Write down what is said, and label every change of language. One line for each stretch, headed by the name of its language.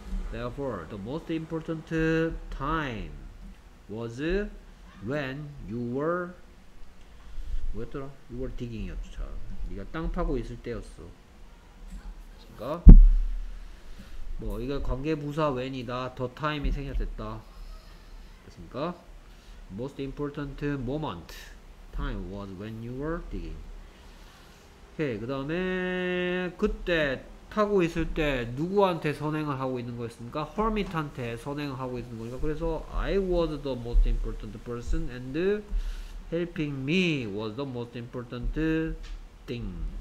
English: Therefore, the most important time was when you were 뭐였더라? You were digging이었죠.
Korean: 자, 네가 땅 파고 있을 때였어. 그니까 뭐 이거 관계부사 when이다. The time이 생략됐다. 됐습니까?
English: Most important moment time was when you were digging.
Korean: 오케이. 그 다음에 그때 타고 있을 때 누구한테 선행을 하고 있는 거였습니까?
English: 허밋한테 선행을 하고 있는 거니까 그래서 I was the most important person and helping me was the most important thing.